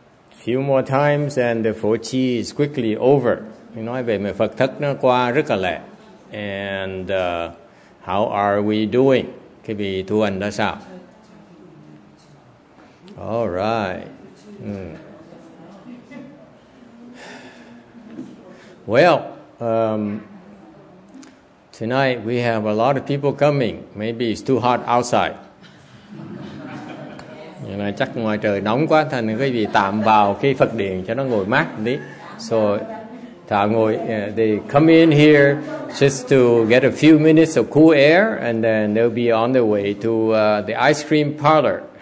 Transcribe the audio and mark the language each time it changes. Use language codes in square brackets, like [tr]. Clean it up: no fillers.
[en] Few more times and the Phổ Chi is quickly over. [vi] Nói về Phật thất nó qua rất là lẹ. [en] And how are we doing? [vi] Quý vị thu hành đã sao? [en] All right. Well, tonight we have a lot of people coming. Maybe it's too hot outside. [vi] Nhưng mà chắc ngoài trời nóng quá, thành quý vị tạm vào cái Phật điện cho nó ngồi mát đi. [en] So, [vi] thả ngồi, [en] they come in here just to get a few minutes of cool air and then they'll be on their way to the ice cream parlor.